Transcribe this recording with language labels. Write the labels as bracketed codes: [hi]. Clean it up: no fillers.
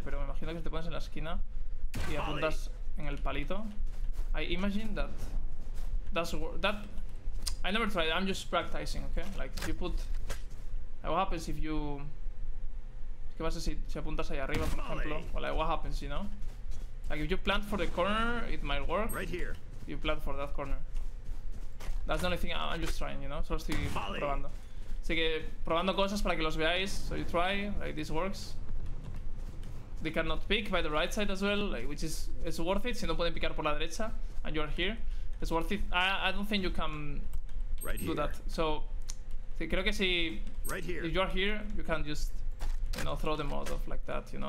[es] Pero me imagino que si te pones en la esquina y apuntas en el palito. [en] I imagine that. That's. I never tried. I'm just practicing, okay? Like, if you put. What happens if you. [es] ¿Qué pasa si apuntas ahí arriba, por ejemplo? [en] Like, what happens, you know? Like, if you plant for the corner, it might work. Right here. You plant for that corner. That's the only thing I'm just trying, you know? [es] Solo estoy probando. Así que, probando cosas para que los veáis. [en] So you try, like this works. They cannot pick by the right side as well, like, which is, it's worth it. [es] Si no pueden picar por la derecha, [en] and you're here, it's worth it. I don't think you can do that. So, [es] creo que si, [en] if you're here, you can just, you know, throw them out of like that, you know?